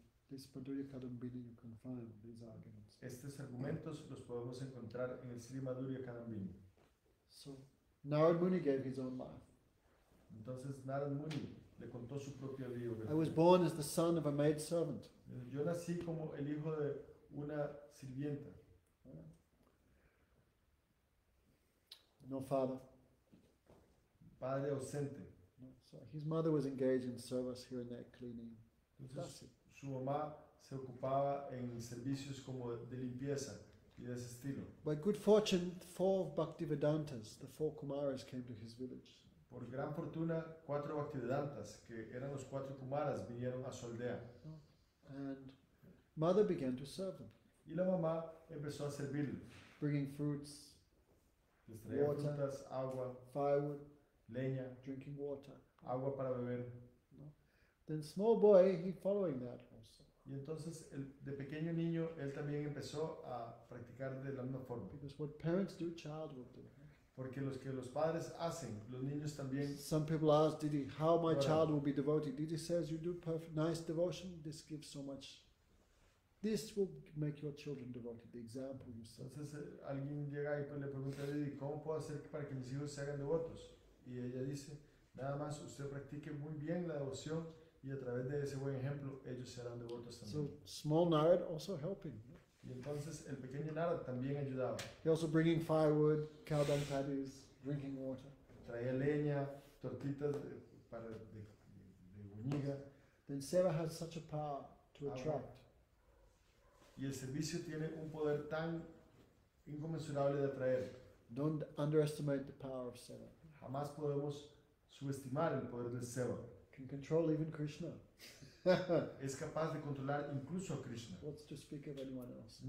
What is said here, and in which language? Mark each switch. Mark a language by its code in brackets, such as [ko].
[en] This Madhurya Kadambini, you can find these arguments. [es] Estos argumentos los podemos encontrar en el Sri Madhurya Kadambini. [en] So, Narad Muni gave his own life. [es] Entonces Narad Muni le contó su propia vida. [en] I was born as the son of a maid servant. [es] Yo nací como el hijo de una sirvienta. [en] No father. [es] Padre ausente. [en] So his mother was engaged in service here and there, cleaning. [es] Su mamá se ocupaba en servicios como de limpieza y de ese estilo. [en] By good fortune, four Bhaktivedantas, the four Kumaras, came to his village. [es] Por gran fortuna, cuatro Bhaktivedantas, que eran los cuatro Kumaras, vinieron a su aldea. [en] And mother began to serve them. [es] Y la mamá empezó a servirle. [en] Bringing fruits, [es] les traía [en] water, [es] frutas, agua, [en] firewood, [es] leña, [en] drinking water, [es] agua para beber. [en] No. Then small boy, he following that also. [es] Y entonces de pequeño niño él también empezó a practicar de la misma forma. [en] Because what parents do, child will do. [es] Porque los que los padres hacen, los niños también. [en] Some people ask, "Did he, how my child will be devoted? Did he says you do perfect, nice devotion? This gives so much. This will make your children devoted. The example you set." [es] Entonces alguien llega y le pregunta, "Didi, ¿cómo puedo hacer para que mis hijos se hagan devotos?" Y ella dice, "Nada más usted practique muy bien la devoción y a través de ese buen ejemplo ellos serán devotos también." [en] So small Narad also helping. [es] Y entonces el pequeño Narad también ayudaba. [en] He also bringing firewood, cow dung patties, drinking water. [es] Traía leña, tortitas de guñiga. [en] Then Seva has such a power to attract. [es] Y el servicio tiene un poder tan inconmensurable de atraer. [en] Don't underestimate the power of Seva. [es] Jamás podemos subestimar el poder del Seva. [en] Can control even Krishna. [es] Es capaz de controlar incluso a Krishna. [en] What's to speak of anyone else?